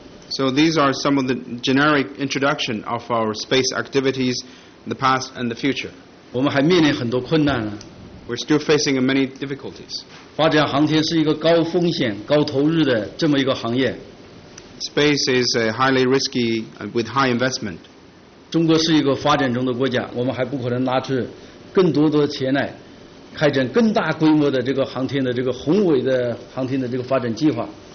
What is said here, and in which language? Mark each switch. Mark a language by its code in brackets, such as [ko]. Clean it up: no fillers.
[en] So these are some of the generic introduction of our space activities in the past and the future. [zh] 我们还面临很多困难。 [en] We're still facing many difficulties. [zh] 发展航天是一个高风险、高投入的这么一个行业。 [en] Space is a highly risky with high investment. [zh] 中国是一个发展中的国家，我们还不可能拿出更多的钱来开展更大规模的这个航天的这个宏伟的航天的这个发展计划。